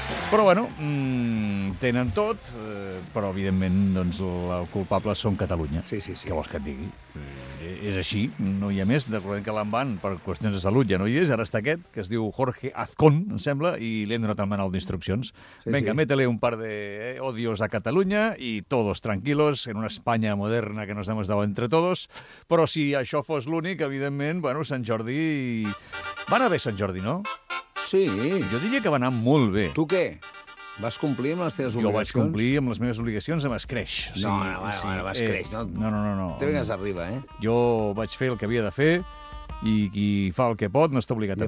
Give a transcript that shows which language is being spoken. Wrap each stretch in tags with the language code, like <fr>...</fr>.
<ca>Però, bueno, tenen tot, però, evidentment, doncs, el culpable són Catalunya. Sí, sí, sí. Què vols que et digui? És així, no hi ha més, d'acord que l'envan per qüestions de salut, ja no hi és, ara està aquest, que es diu Jorge Azcón, em sembla, i li hem donat el manual d'instruccions. Sí, vinga, sí.</ca> <es>Métele un par de odios a Catalunya i todos tranquilos en una Espanya moderna que nos hemos dado entre todos.</es> <ca>Però si això fos l'únic, evidentment, bueno, Sant Jordi... Va anar bé, Sant Jordi, no? Sí. Jo diria que va anar molt bé. Tu què? Vas complir amb les teves obligacions? Jo vaig complir amb les meves obligacions amb escreix. Sí, no, escreix. No. Te vengues arriba, Jo vaig fer el que havia de fer i qui fa el que pot no està obligat a més.</ca>